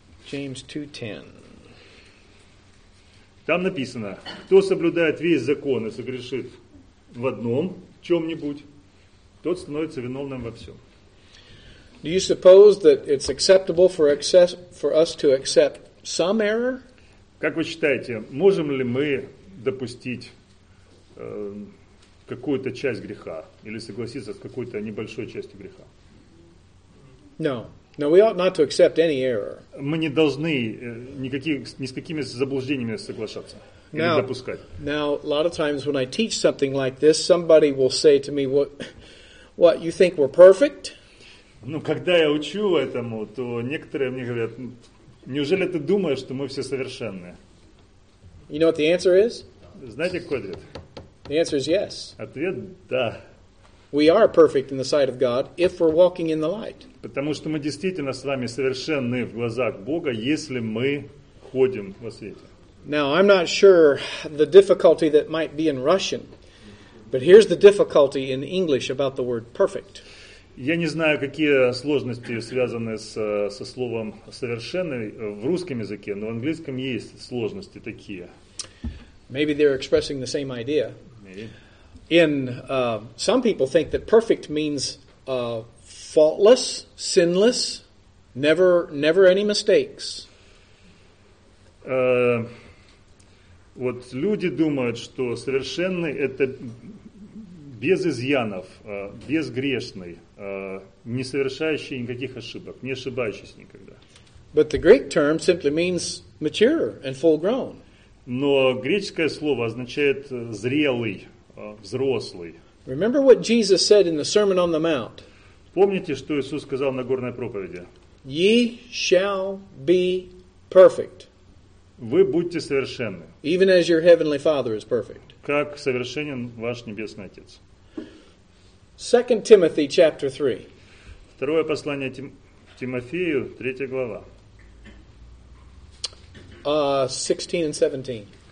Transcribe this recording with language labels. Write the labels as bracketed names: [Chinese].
[English] James 2:10. [Russian] Там написано, кто соблюдает весь закон и согрешит в одном чем-нибудь, тот становится виновным во всем. [English] Do you suppose that it's acceptable for us to accept some error? [Russian] Как вы считаете, можем ли мы допустить какую-то часть греха или согласиться с какой-то небольшой частью греха? [English] No. No, we ought not to accept any error. [Russian] Мы не должны ни с какими заблуждениями соглашаться или допускать. [English] Now, a lot of times when I teach something like this, somebody will say to me, what you think we're perfect? [Russian] Ну, когда я учу этому, то некоторые мне говорят, неужели ты думаешь, что мы все совершенные? [English] You know what the answer is? [Russian] Знаете, какой ответ? [English] The answer is yes. [Russian] Ответ – да. [English] We are perfect in the sight of God if we're walking in the light. [Russian] Потому что мы действительно с вами совершенны в глазах Бога, если мы ходим во свете. [English] Now, I'm not sure the difficulty that might be in Russian, but here's the difficulty in English about the word perfect. [Russian] Я не знаю, какие сложности связаны со словом «совершенный» в русском языке, но в английском есть сложности такие. [English] Maybe they're expressing the same idea. In some people think that perfect means faultless, sinless, never any mistakes. [Russian] Вот люди думают, что совершенный – это без изъянов, безгрешный, не совершающий никаких ошибок, не ошибающийся никогда. [English] But the Greek term simply means mature and full grown. [Russian] Но греческое слово означает зрелый, взрослый. [English] Remember what Jesus said in the Sermon on the Mount. [Russian] Помните, что Иисус сказал на горной проповеди? [English] Ye shall be perfect. [Russian] Вы будете совершенны. [English] Even as your heavenly Father is perfect. [Russian] Как совершенен ваш небесный Отец. [English] 2 Timothy chapter 3. [Russian] Второе послание Тимофею, 3 глава. [English] 16 and